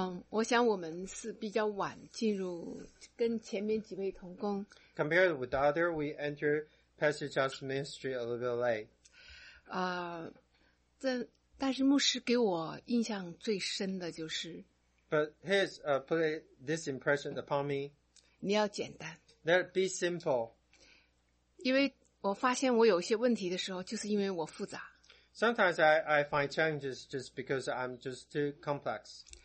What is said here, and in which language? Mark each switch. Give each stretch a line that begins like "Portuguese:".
Chinese: 我想我们是比较晚进入跟前面几位同工。
English: Compared with the other, we enter Pastor John's ministry a little bit late.
Chinese: 但是牧师给我印象最深的就是
English: But he's put this impression upon me.
Chinese: 你要简单。
English: Let it be simple.
Chinese: 因为我发现我有些问题的时候就是因为我复杂。
English: Sometimes I find challenges just because I'm just too complex.